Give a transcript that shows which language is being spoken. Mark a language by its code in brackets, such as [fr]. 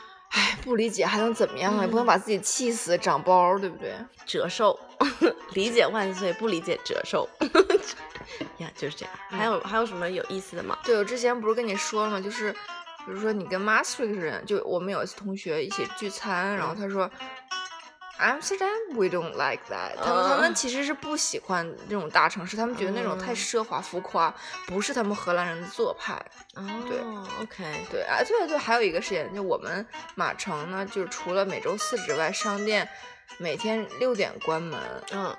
[zh] 哎，不理解还能怎么样啊？也不能把自己气死，长包，对不对？折寿，理解万岁，不理解折寿。呀，就是这样。还有什么有意思的吗？对，我之前不是跟你说了吗？就是，比如说你跟 Maastricht 人，就我们有一次同学一起聚餐，然后他说。 [en] Amsterdam, we don't like that. [zh] 他们其实是不喜欢那种大城市，他们觉得那种太奢华浮夸，不是他们荷兰人的做派。对，OK，对啊，对对对，还有一个事情，就我们马城呢，就是除了每周四之外，商店每天6点关门。嗯，